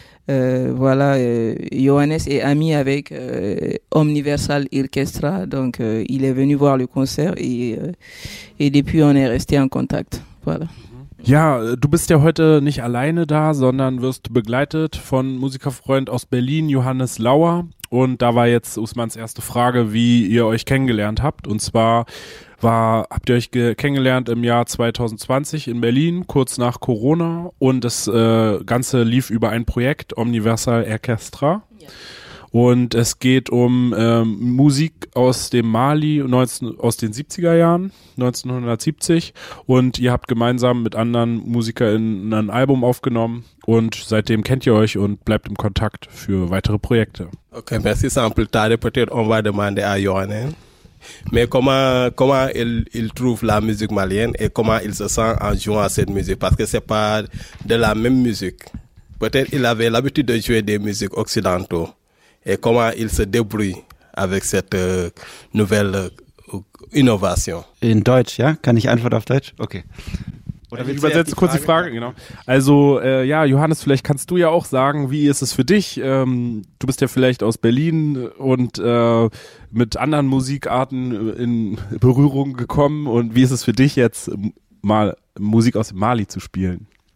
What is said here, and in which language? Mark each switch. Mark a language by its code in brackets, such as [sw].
[fr] Voilà, Johannes est ami avec Omniversal Orchestra, donc il est venu voir le concert et depuis on est resté en contact. Voilà. [de] Ja, du bist ja heute nicht alleine da, sondern wirst begleitet von Musikerfreund aus Berlin, Johannes Lauer. Und da war jetzt Ousmans erste Frage, wie ihr euch kennengelernt habt. Und zwar habt ihr euch kennengelernt im Jahr 2020 in Berlin, kurz nach Corona. Und das Ganze lief über ein Projekt, Omniversal Orchestra. Ja. Und es geht um Musik aus dem Mali aus den 70er Jahren, 1970. Und ihr habt gemeinsam mit anderen MusikerInnen ein Album aufgenommen. Und seitdem kennt ihr euch und bleibt im Kontakt für weitere Projekte. [fr] Okay, merci. Sans plus tarder, peut-être on va demander à Johannes. Mais comment il trouve la musique malienne et comment il se sent en jouant à cette musique? Parce que c'est pas de la même musique. peut-être il avait l'habitude de jouer des musiques occidentaux et comment il se débrouille avec cette nouvelle innovation. [de] In Deutsch, ja? Kann ich antworten auf Deutsch? Okay. Oder ich übersetze kurz die Frage, genau. Also ja, Johannes, vielleicht kannst du ja auch sagen, wie ist es für dich? Du bist ja vielleicht aus Berlin und mit anderen Musikarten in Berührung gekommen. Und wie ist es für dich jetzt, mal Musik aus Mali zu spielen?